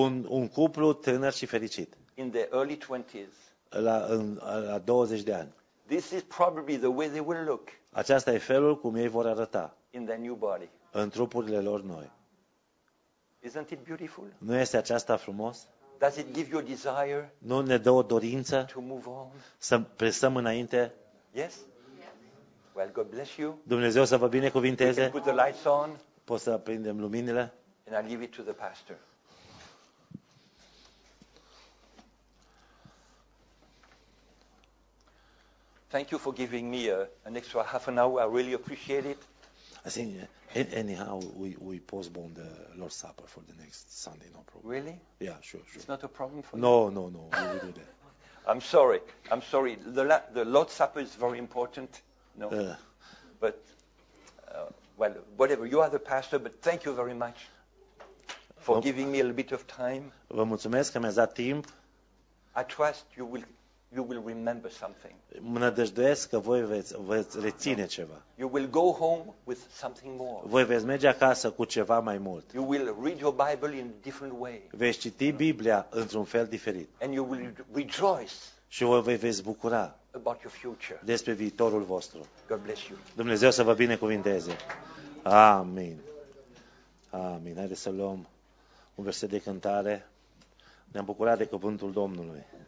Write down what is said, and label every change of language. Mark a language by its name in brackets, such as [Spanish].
[Romanian] Un cuplu tânăr și fericit. [English] In the early 20s. [Romanian] la 20 de ani. [English] This is probably the way they will look. [Romanian] Aceasta e felul cum ei vor arăta. [English] In their new body. [Romanian] În trupurile lor noi. [English] Isn't it beautiful? [Romanian] Nu este aceasta frumos? [English] Does it give you a desire? [Romanian] Nu ne dă o dorință? [English] To move on. [Romanian] Să presăm înainte? [English] Yes. Well, God bless you. [Romanian] Dumnezeu să vă binecuvinteze. [English] Put the lights on. [Romanian] Poți să prindem luminile? [English] And I'll give it to the pastor. Thank you for giving me an extra half an hour. I really appreciate it. I think anyhow we postpone the Lord's Supper for the next Sunday, no problem. Really? Yeah, sure. It's not a problem for no, No. We will do that. I'm sorry. The Lord's Supper is very important. No. But whatever. You are the pastor, but thank you very much for giving me a little bit of time. [Romanian] Vă mulțumesc că mi-ați dat timp. [English] I trust you will remember something. [Romanian] Mă nădăjduiesc că voi veți reține ceva. [English] You will go home with something more. [Romanian] Voi veți merge acasă cu ceva mai mult. [English] You will read your Bible in a different way. [Romanian] Veți citi Biblia într-un fel diferit. [English] And you will rejoice. [Romanian] Și voi vă veți bucura [English] about your future. [Romanian] Despre viitorul vostru. [English] God bless you. [Romanian] Dumnezeu să vă binecuvinteze. Amin. Amin. Haideți să luăm un verset de cântare. Ne-am bucurat de cuvântul Domnului.